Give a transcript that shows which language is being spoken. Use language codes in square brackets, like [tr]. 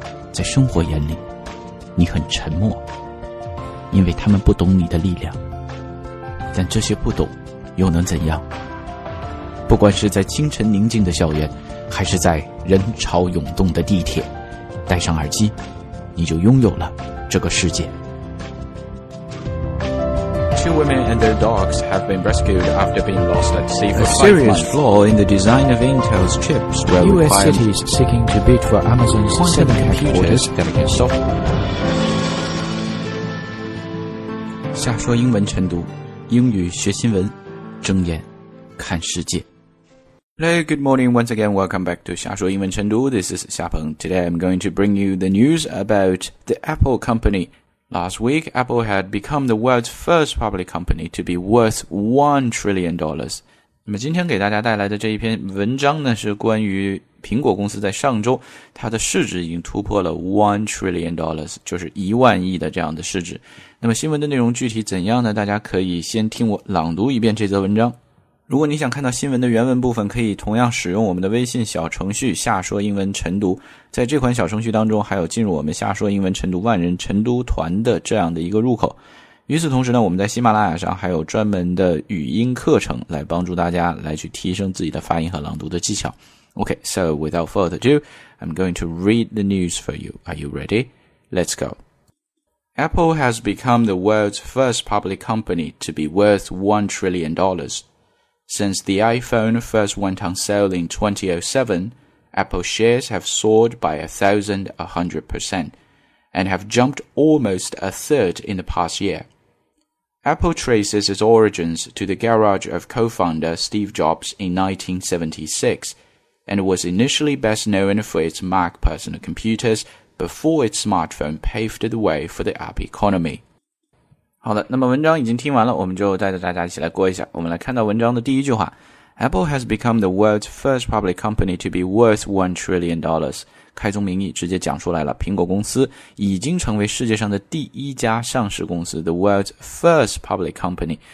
[zh] 在生活眼里，你很沉默，因为他们不懂你的力量。但这些不懂又能怎样？不管是在清晨宁静的校园，还是在人潮涌动的地铁，戴上耳机，你就拥有了这个世界。 [en] Two women and their dogs have been rescued after being lost at sea for 5 months. A serious flaw in the design of Intel's chips where U.S. cities seeking to bid for Amazon's 7 headquarters. [zh] 瞎说英文晨读，英语学新闻，睁眼看世界。 [en] Hello, good morning. Once again, welcome back to [zh] 瞎说英文晨读。 [en] This is 夏鹏。 Today, I'm going to bring you the news about the Apple company. Last week, Apple had become the world's first public company to be worth $1 trillion. [zh] 那么今天给大家带来的这一篇文章呢，是关于苹果公司在上周，它的市值已经突破了$1 trillion, 就是一万亿的这样的市值。那么新闻的内容具体怎样呢？大家可以先听我朗读一遍这则文章。如果你想看到新闻的原文部分，可以同样使用我们的微信小程序瞎说英文晨读。在这款小程序当中，还有进入我们瞎说英文晨读万人晨读团的这样的一个入口。与此同时呢，我们在喜马拉雅上还有专门的语音课程，来帮助大家来去提升自己的发音和朗读的技巧。 [en] OK, so without further ado, I'm going to read the news for you. Are you ready? Let's go. Apple has become the world's first public company to be worth $1 trillion. Since the iPhone first went on sale in 2007, Apple shares have soared by 1,100% and have jumped almost a third in the past year. Apple traces its origins to the garage of co-founder Steve Jobs in 1976 and was initially best known for its Mac personal computers before its smartphone paved the way for the app economy. [zh] 好的，那么文章已经听完了，我们就带着大家一起来过一下。我们来看到文章的第一句话， [en] Apple has become the world's first public company to be worth $1 trillion. [zh] 开宗明义直接讲出来了，苹果公司已经成为世界上的第一家上市公司， [en] the world's first public company.